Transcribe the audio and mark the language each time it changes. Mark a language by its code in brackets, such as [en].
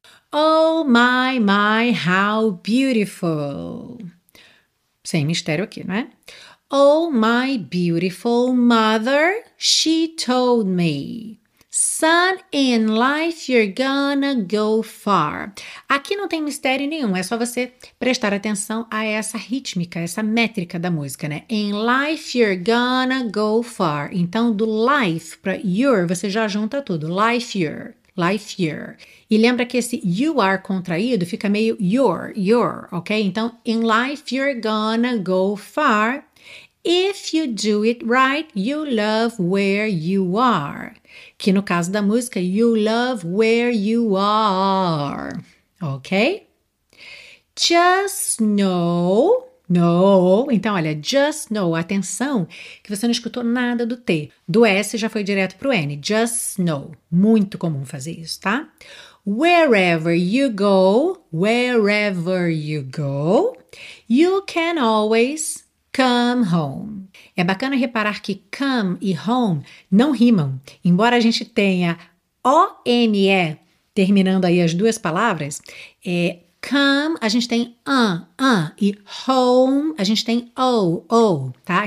[en] Oh, my, how beautiful! [pt] Sem mistério aqui, né? [en] Oh, my beautiful mother, she told me. Son, in life you're gonna go far. [pt] Aqui não tem mistério nenhum, é só você prestar atenção a essa rítmica, essa métrica da música, né? [en] In life you're gonna go far. [pt] Então, do life para your, você já junta tudo. [en] Life your, life your. [pt] E lembra que esse you are contraído fica meio your, your, ok? [en] Então, in life you're gonna go far. If you do it right, you love where you are. [pt] Que no caso da música, [en] you love where you are. [pt] Ok? [en] Just know, know. [pt] Então, olha, [en] just know. [pt] Atenção que você não escutou nada do T. Do S já foi direto pro N. Just know. Muito comum fazer isso, tá? [en] Wherever you go, wherever you go, you can always come home. [pt] É bacana reparar que come e home não rimam. Embora a gente tenha O-N-E terminando aí as duas palavras, é come a gente tem an, e home a gente tem o, tá?